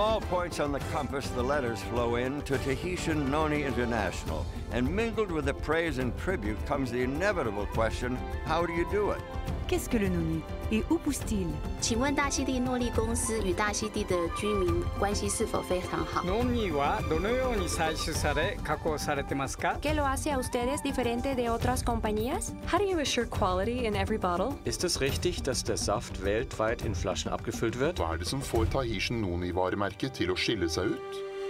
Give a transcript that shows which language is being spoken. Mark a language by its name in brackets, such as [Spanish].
[English] Points on the compass, the letters flow in to Tahitian Noni International, and mingled with the praise and tribute comes the inevitable question: how do you do it? [French] Qu'est-ce que le Noni? Et où pousse-t-il? [Chinese] 请问大溪地诺利公司与大溪地的居民关系是否非常好? [Japanese] Noni wa dono youni saishu sare kakou sarete masu ka? [Spanish] ¿Qué lo hace a ustedes diferente de otras compañías? [English] How do you assure quality in every bottle? [German] Ist es richtig, dass der Saft weltweit in Flaschen abgefüllt wird? [Norwegian] Hva det som får Tahitian Noni varemerket til å skille seg ut?